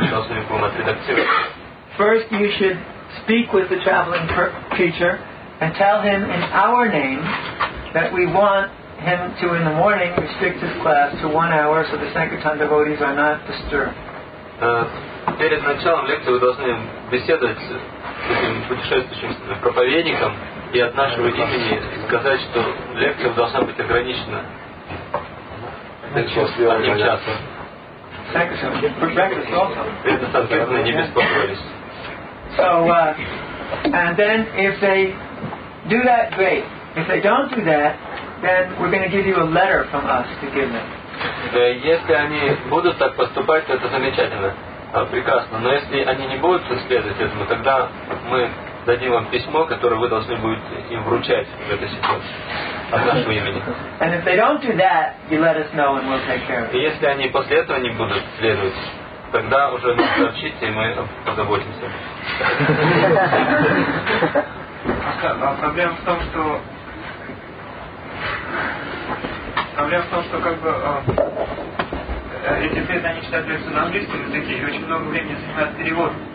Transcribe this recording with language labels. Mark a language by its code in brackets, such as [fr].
[en] First, you should speak with the traveling teacher and tell him in our name that we want him to, in the morning, restrict his class to 1 hour so the Sankirtan devotees are not disturbed. [ru] Перед началом лекции вы должны беседовать с этим путешествующим проповедником и от нашего имени сказать, что лекция должна быть ограничена одним часом. [en] So, and then if they do that, great. If they don't do that, then we're going to give you a letter from us to give them. [ru] Если они будут так поступать, то это замечательно. Прекрасно. Но если они не будут следовать этому, тогда мы дадим вам письмо, которое вы должны будете им вручать в этой ситуации от нашего имени. [en] And if they don't do that, you let us know and we'll take care of it. [ru] И если они после этого не будут следовать, тогда уже нам сообщите, и мы позаботимся. Проблема в том, что как бы... Эти преданные читают лекцию на английском языке, и очень много времени занимает перевод.